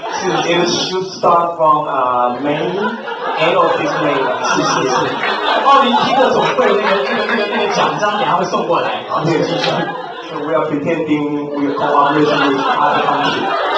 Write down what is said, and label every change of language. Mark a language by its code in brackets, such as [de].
[en] It should start from May, end of this May. [zh] 是。奥林匹克总会那个奖章，等下会送过来。好，继续。 [en] So we are pretending we are cooperating with other countries.